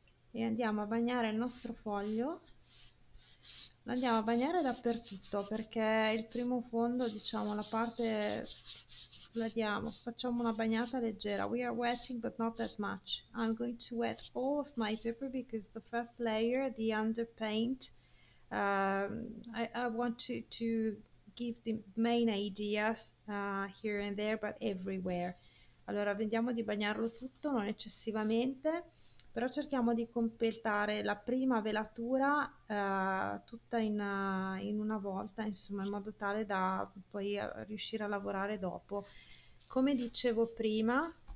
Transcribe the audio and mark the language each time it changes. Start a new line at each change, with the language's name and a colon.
Italian: E andiamo a bagnare il nostro foglio. Lo andiamo a bagnare dappertutto perché il primo fondo, diciamo, la parte la diamo. Facciamo una bagnata leggera.
English: We are wetting but not that much. I'm going to wet all of my paper because the first layer, the underpaint, I want to give the main ideas here and there, but everywhere.
Italian: Allora, vediamo di bagnarlo tutto, non eccessivamente, però cerchiamo di completare la prima velatura tutta in una volta, insomma, in modo tale da poi riuscire a lavorare dopo. Come dicevo prima,